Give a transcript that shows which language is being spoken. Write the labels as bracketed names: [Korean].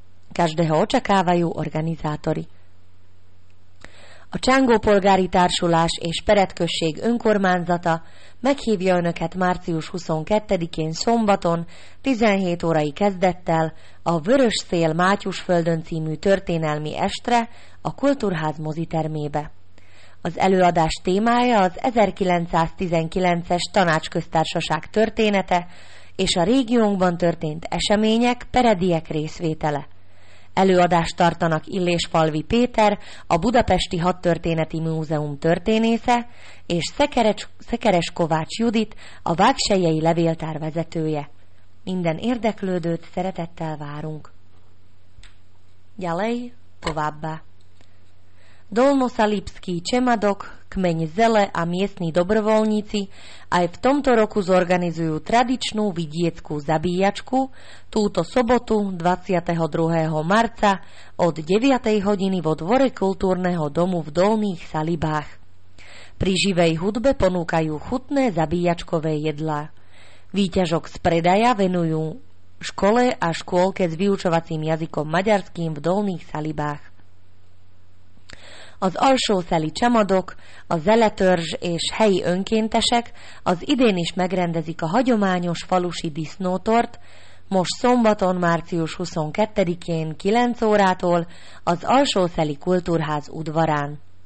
[Slovak] Každého očakávajú organizátori. [Hungarian] A Csángó Polgári Társulás és Peredkösség önkormányzata meghívja önöket március 22-én szombaton 17 órai kezdettel a Vörös Szél Mátyusföldön című történelmi estre a Kultúrház mozitermébe. Az előadás témája az 1919-es tanácsköztársaság története és a régiónkban történt események perediek részvétele. Előadást tartanak Illésfalvi Péter, a Budapesti Hadtörténeti Múzeum történésze, és Sekeres Kovács Judit, a Vágsellyei Levéltár vezetője. Minden érdeklődőt szeretettel várunk. [Slovak] Ďalej [Hungarian] továbbá. [Slovak] Dolnoszalipský Csemadok, kmeň Zele a miestni dobrovoľníci aj v tomto roku zorganizujú tradičnú vidieckú zabíjačku túto sobotu 22. marca od 9. hodiny vo dvore kultúrneho domu v Dolných Salibách. Pri živej hudbe ponúkajú chutné zabíjačkové jedlá. Výťažok z predaja venujú škole a škôlke s vyučovacím jazykom maďarským v Dolných Salibách. [Hungarian] Az alsószeli csemadok, a zeletörzs és helyi önkéntesek az idén is megrendezik a hagyományos falusi disznótort, most szombaton március 22-én 9 órától az alsószeli kultúrház udvarán.